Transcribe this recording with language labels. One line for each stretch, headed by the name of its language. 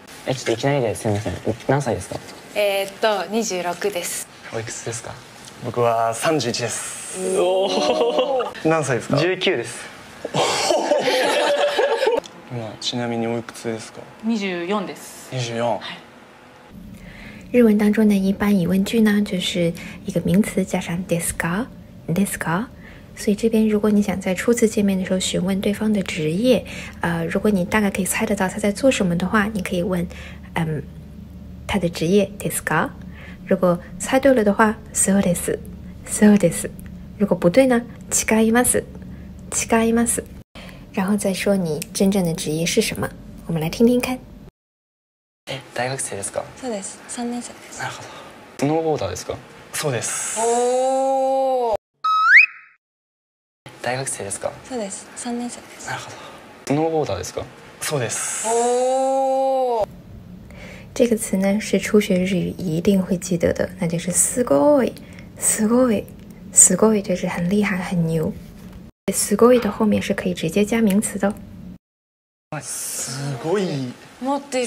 Japanese: ちょっといきなりですみません。何歳ですか。 26です。おいくつですか。僕は31です。おお。何歳ですか。 19です。今ちなみにおいくつですか。 24です。 24。はい。
Chinese: 日文当中的一般疑问句呢，就是一个名词加上ですか、ですか。所以这边如果你想在初次见面的时候询问对方的职业，如果你大概可以猜得到他在做什么的话，你可以问，他的职业ですか。如果猜对了的话，
Japanese: そうです、そうです。
Chinese: 如果不对呢，
Japanese: 違います、違います。
Chinese: 然后再说你真正的职业是什么，我们来听听看。
Japanese: 大学生ですか。そうです。3年生です。なるほど。スノーボーダーですか。そうです。おお。大学生ですか。そうです。3年生です。なるほど。スノーボーダーですか。そうです。おお。
Chinese: 这个词呢是初学日语一定会记得的，那就是
Japanese: すごい、すごい、すごい，
Chinese: 就是很厉害、很牛。すごい的后面是可以直接加名词的。
Japanese: すごい。持ってる。